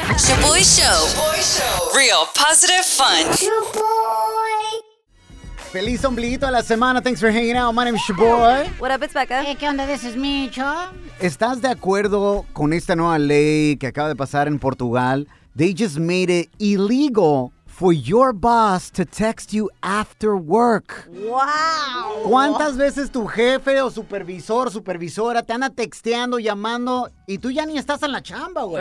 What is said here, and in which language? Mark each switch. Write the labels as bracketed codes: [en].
[en] Shaboy Show. Shaboy Show. Real positive fun. Shaboy. [es] Feliz ombliguito de la semana. [en] Thanks for hanging out. My name is Shaboy. What up, it's Becca. Hey, [es] ¿qué onda? [en] This is Micho. [es] ¿Estás de acuerdo con esta nueva ley que acaba de pasar en Portugal? [en] They just made it illegal for your boss to text you after work. ¡Wow! [es] ¿Cuántas veces tu jefe o supervisor, supervisora, te anda texteando, llamando, y tú ya ni estás en la chamba, güey?